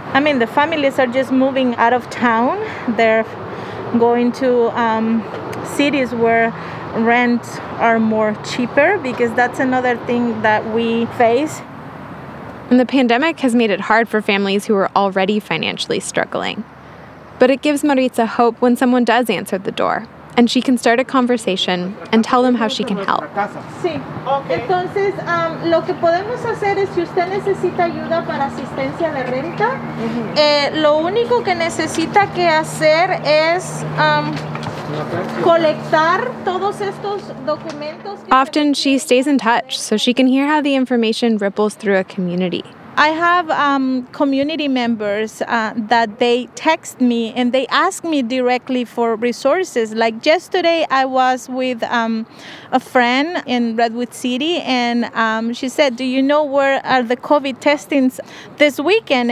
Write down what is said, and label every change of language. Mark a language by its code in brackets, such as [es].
[en] I mean, the families are just moving out of town. They're going to cities where rent are more cheaper, because that's another thing that we face. And the pandemic has made it hard for families who are already financially struggling. But it gives Maritza hope when someone does answer the door, and she can start a conversation and tell them how she can help. [es] Sí. Okay. Entonces, lo que podemos hacer es, si usted necesita ayuda para asistencia de renta, lo único que necesita que hacer es collectar todos estos documentos. [en] Often she stays in touch so she can hear how the information ripples through a community. I have community members that they text me and they ask me directly for resources. Like yesterday I was with a friend in Redwood City and she said, do you know where are the COVID testings this weekend?